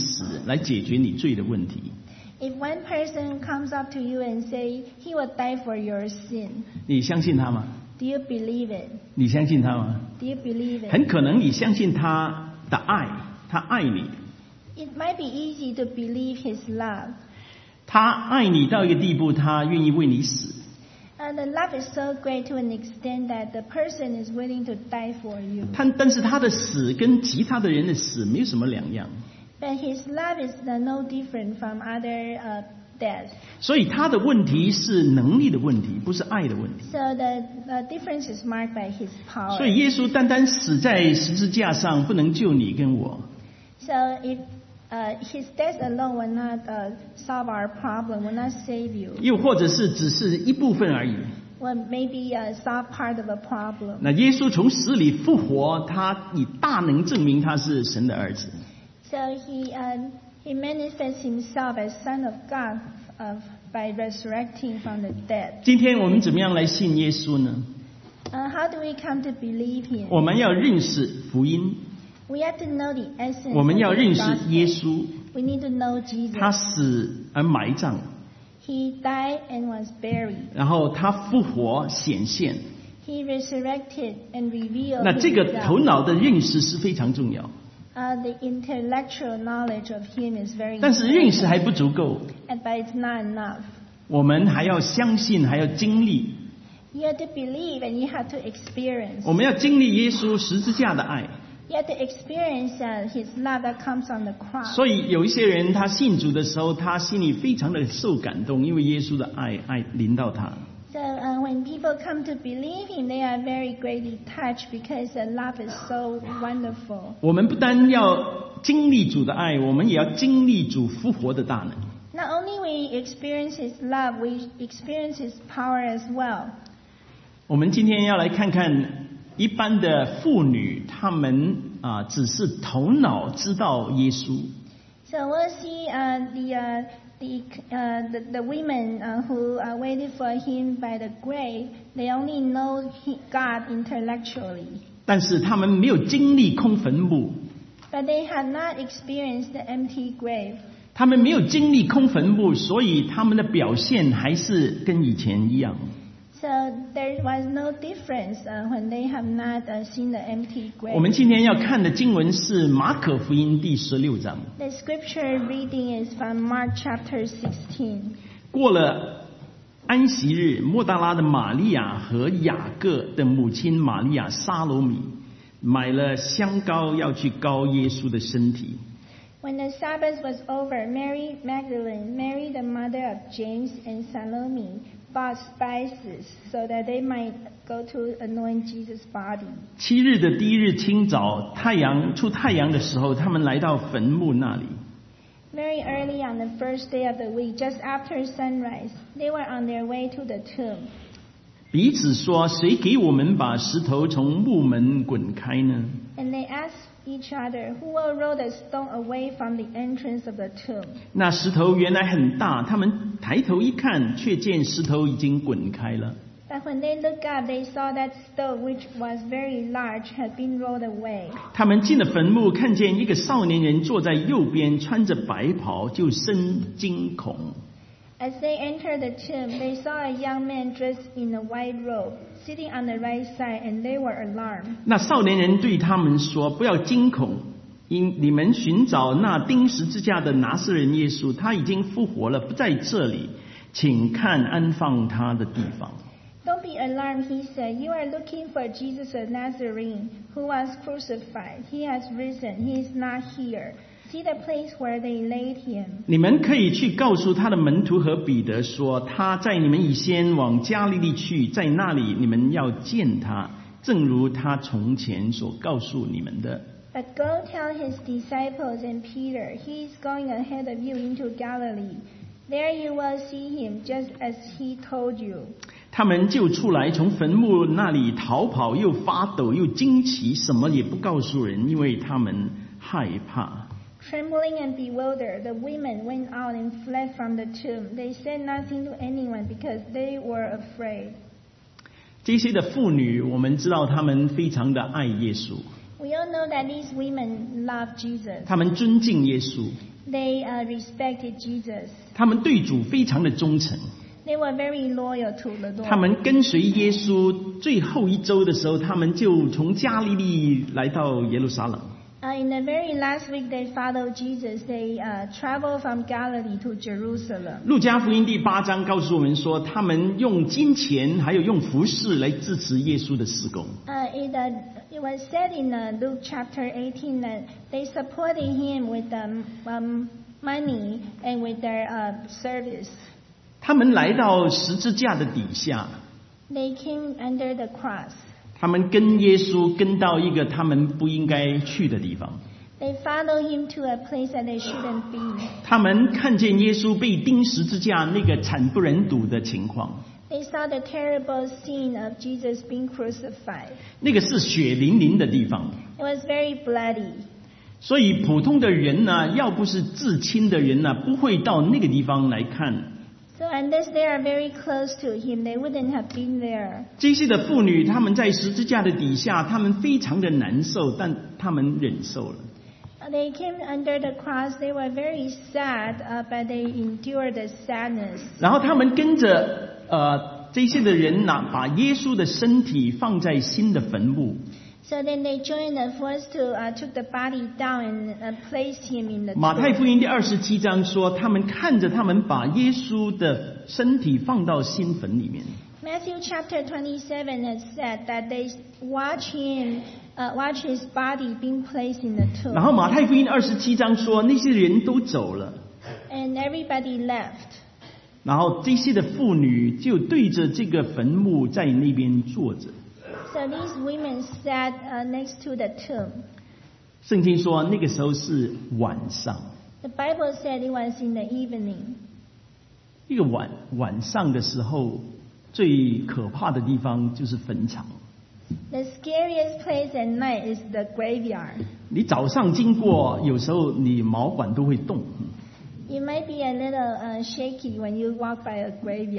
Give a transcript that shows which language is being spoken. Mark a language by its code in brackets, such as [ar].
[zh] 如果有一个人说今天他要为你死来解决你罪的问题, [en] If one person comes up to you and say he will die for your sin, [zh] 你相信他吗? [en] Do you believe it? [zh] 你相信他吗? [en] Do you believe it? [zh] 很可能你相信他的爱, 他爱你。 [en] It might be easy to believe his love. [zh] 他爱你到一个地步, 他愿意为你死。 [en] The love is so great to an extent that the person is willing to die for you. [zh] 但是他的死跟其他的人的死没有什么两样。 [en] But his love is no different from other deaths. [zh] 所以他的问题是能力的问题，不是爱的问题。 [en] So the difference is marked by his power. [zh] 所以耶稣单单死在十字架上不能救你跟我。 [en] So if His death alone will not solve our problem, will not save you. [zh] 又或者是只是一部分而已。 [en] Well, maybe solve part of a problem. [zh] 那耶稣从死里复活, 他以大能证明他是神的儿子。 [en] So he manifests himself as Son of God by resurrecting from the dead. [zh] 今天我们怎么样来信耶稣呢? [en] How do we come to believe him? [zh] 我们要认识福音。 [en] We have to know the essence. [zh] 我们要认识耶稣。 [en] We need to know Jesus. [zh] 他死而埋葬。 [en] He died and was buried. [zh] 然后他复活显现。 [en] He resurrected and revealed. [zh] 那这个头脑的认识是非常重要。 [en] The intellectual knowledge of him is very important. [zh] 但是认识还不足够。 [en] But it's not enough. [zh] 我们还要相信, 还要经历。 [en] You have to believe and you have to experience. [zh] 我们要经历耶稣十字架的爱。 [en] You have to experience his love that comes on the cross. [zh] 所以有一些人他信主的时候, 他心里非常的受感动, 因为耶稣的爱临到他。 [en] So when people come to believe him, they are very greatly touched because the love is so wonderful. [zh] 我们不单要经历主的爱, 我们也要经历主复活的大能。 [en] Not only we experience His love, we experience His power as well. [zh] 我们今天要来看看一般的妇女，她们啊只是头脑知道耶稣。 [en] So we'll see the women who waited for him by the grave, they only know God intellectually. [zh] 但是他们没有经历空坟墓。 [en] But they have not experienced the empty grave. [zh] 他们没有经历空坟墓，所以他们的表现还是跟以前一样。 [en] So there was no difference when they have not seen the empty grave. [zh] 我们今天要看的经文是马可福音第十六章。 [en] The scripture reading is from Mark chapter 16. [zh] 过了安息日，莫大拉的玛利亚和雅各的母亲玛利亚撒罗米买了香膏要去膏耶稣的身体。 [en] When the Sabbath was over, Mary Magdalene, Mary the mother of James and Salome, bought spices so that they might go to anoint Jesus' body. [zh] 七日的第一日清早，太阳出太阳的时候，他们来到坟墓那里。 [en] Very early on the first day of the week, just after sunrise, they were on their way to the tomb. [zh] 彼此说，谁给我们把石头从墓门滚开呢？ [en] And they asked each other, who will roll the stone away from the entrance of the tomb? [zh] 那石头原来很大，他们抬头一看，却见石头已经滚开了。 [en] But when they looked up, they saw that stone, which was very large, had been rolled away. [zh] 他们进了坟墓，看见一个少年人坐在右边，穿着白袍，就生惊恐。 [en] As they entered the tomb, they saw a young man dressed in a white robe, sitting on the right side, and they were alarmed. [zh] 那少年人对他们说，不要惊恐，因你们寻找那钉十字架的拿撒人耶稣，他已经复活了，不在这里，请看安放他的地方。 [en] Don't be alarmed, he said. You are looking for Jesus of Nazarene, who was crucified. He has risen. He is not here. See the place where they laid him. [zh] 你们可以去告诉他的门徒和彼得说，他在你们以先往加利利去，在那里你们要见他，正如他从前所告诉你们的。 [en] But go tell his disciples and Peter, he is going ahead of you into Galilee. There you will see him, just as he told you. [zh] 他们就出来从坟墓那里逃跑，又发抖又惊奇，什么也不告诉人，因为他们害怕。 [en] Trembling and bewildered, the women went out and fled from the tomb. They said nothing to anyone because they were afraid. [zh] 这些的妇女，我们知道她们非常的爱耶稣。 [en] We all know that these women love Jesus. [zh] 她们尊敬耶稣。 [en] They respected Jesus. [zh] 她们对主非常的忠诚。 [en] They were very loyal to the Lord. [zh] 她们跟随耶稣最后一周的时候，她们就从加利利来到耶路撒冷。 [en] In the very last week they followed Jesus, they traveled from Galilee to Jerusalem. [zh] 路加福音第八章告诉我们说，他们用金钱还有用服事来支持耶稣的事工。 [en] It was said in Luke chapter 18 that they supported him with money and with their service. [zh] 他们来到十字架的底下。 [en] They came under the cross. [zh] 他们跟耶稣跟到一个他们不应该去的地方。 [en] They follow him to a place that they shouldn't be. [zh] 他们看见耶稣被钉十字架那个惨不忍睹的情况。 [en] They saw the terrible scene of Jesus being crucified. [zh] 那个是血淋淋的地方。 [en] It was very bloody. [zh] 所以普通的人呢，要不是至亲的人呢，不会到那个地方来看。 [en] So unless they are very close to him, they wouldn't have been there. [zh] 这些的妇女，她们在十字架的底下，她们非常的难受，但她们忍受了。 [en] They came under the cross. They were very sad, but they endured the sadness. [zh] 然后她们跟着这些的人呢，把耶稣的身体放在新的坟墓。 [en] So then they joined the force to took the body down and placed him in the tomb. [zh] 马太福音第二十七章说，他们看着他们把耶稣的身体放到新坟里面。 [en] Matthew chapter 27 has said that they watch him, watch his body being placed in the tomb. [zh] 然后马太福音二十七章说，那些人都走了。 [en] And everybody left. [zh] 然后这些的妇女就对着这个坟墓在那边坐着。 [en] So these women sat next to the tomb. [zh] 圣经说那个时候是晚上。 [en] The Bible said it was in the evening. [zh] 这个晚上的时候，最可怕的地方就是坟场。 [en] The scariest place at night is the graveyard. [zh] 你早上经过，有时候你毛管都会动。 [en] You might be a little shaky when you walk by a graveyard.